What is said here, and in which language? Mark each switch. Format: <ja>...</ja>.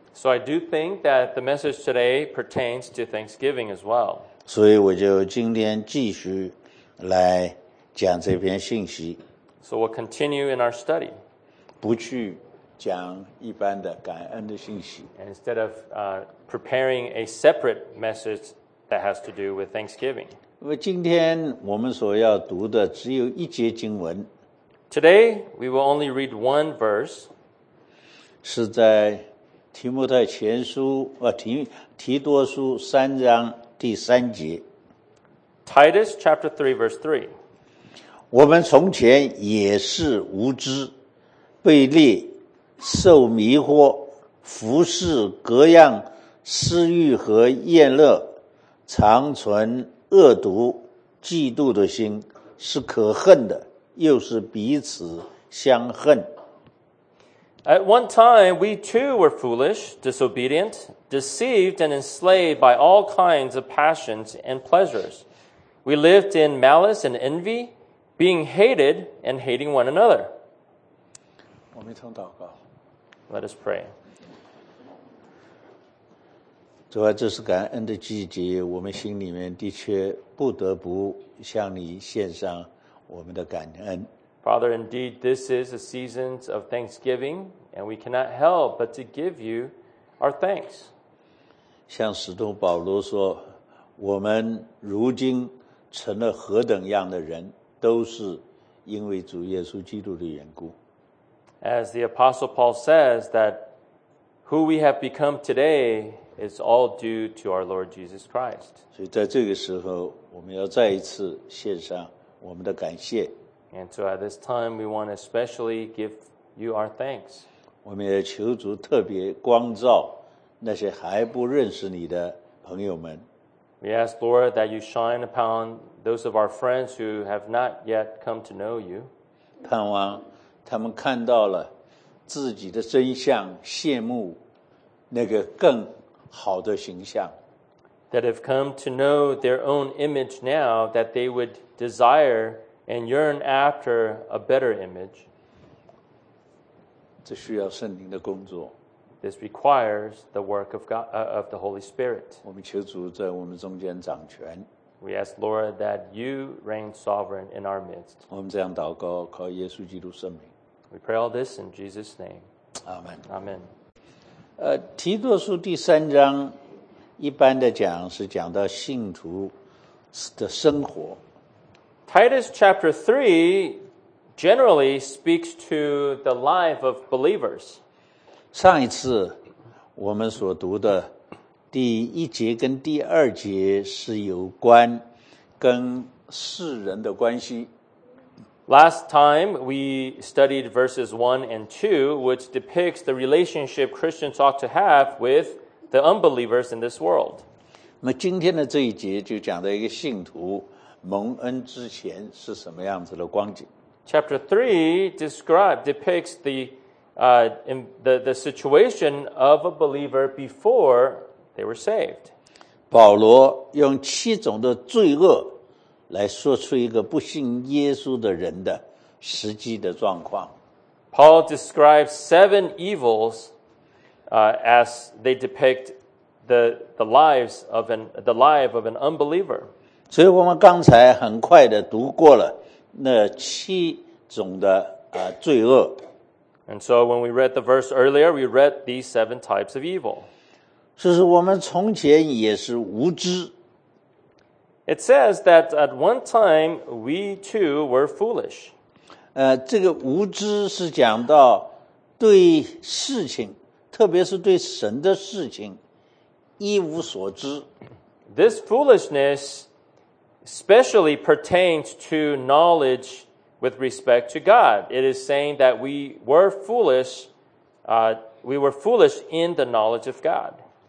<en>So I do think that the message today pertains to Thanksgiving as well.</en> <zh>所以我就今天继续来讲这篇信息。</zh> <en>So we'll continue in our study.</en> <zh>不去讲一般的感恩的信息。</zh> <en>Instead of preparing a separate message that has to do with Thanksgiving.</en> <zh>因为今天我们所要读的只有一节经文。</zh> <en>Today, we will only read one verse.</en> <zh>是在提摩太前书，提多书三章第三节。</zh> <en>Titus chapter 3 verse 3.</en> <zh>我们从前也是无知，被列受迷惑，服侍各样私欲和宴乐，常存恶毒、嫉妒的心，是可恨的，又是彼此相恨。</zh> <en>At one time, we too were foolish, disobedient, deceived, and enslaved by all kinds of passions and pleasures. We lived in malice and envy, being hated and hating one another.</en> <zh>我们一同祷告。</zh> <en>Let us pray.</en> <zh>主啊，这是感恩的季节，我们心里面的确不得不向你献上我们的感恩。</zh> <en>Father, indeed, this is a season of thanksgiving, and we cannot help but to give you our thanks.</en> <zh>像使徒保罗说，我们如今成了何等样的人，都是因为主耶稣基督的缘故。</zh> <en>As the Apostle Paul says, that who we have become today is all due to our Lord Jesus Christ.</en> <zh>所以在这个时候，我们要再一次献上我们的感谢。</zh> <en>And so at this time, we want to especially give you our thanks.</en> <zh>我们也求主特别光照那些还不认识你的朋友们。</zh> <en>We ask, Lord, that you shine upon those of our friends who have not yet come to know you.</en> <zh>盼望他们看到了自己的真相，羡慕那个更好的形象。</zh> <en>That have come to know their own image now, that they would desire and yearn after a better image.</en> <zh>这需要圣灵的工作。</zh> <en>This requires the work of God, of the Holy Spirit.</en> <zh>我们求主在我们中间掌权。</zh> <en>We ask, Lord, that you reign sovereign in our midst.</en> <zh>我们这样祷告，靠耶稣基督圣名。</zh> <en>We pray all this in Jesus' name. Amen. Amen.</en> <zh>提多书第三章，一般的讲是讲到信徒的生活。</zh> <en>Titus chapter 3 generally speaks to the life of believers.</en> <zh>上一次我们所读的第一节跟第二节是有关跟世人的关系。</zh> <en>Last time we studied verses 1 and 2, which depicts the relationship Christians ought to have with the unbelievers in this world.</en> <zh>那今天的这一节就讲到一个信徒蒙恩之前是什么样子的光景。</zh> <en>Chapter 3 depicts the situation of a believer before they were saved.</en> <zh>保罗用七种的罪恶来说出一个不信耶稣的人的实际的状况。</zh> <en>Paul describes 7 evils, as they depict the life of an unbeliever.</en> <zh>所以我们刚才很快的读过了那七种的罪恶。</zh> <en>And so when we read the verse earlier, we read these 7 types of evil.</en> <zh>就是我们从前也是无知。</zh> <en>It says that at one time we too were foolish.</en> <zh>这个无知是讲到对事情，特别是对神的事情一无所知。</zh> <en>This foolishness especially pertains to knowledge with respect to God. It is saying that we were foolish in the knowledge of God.</en>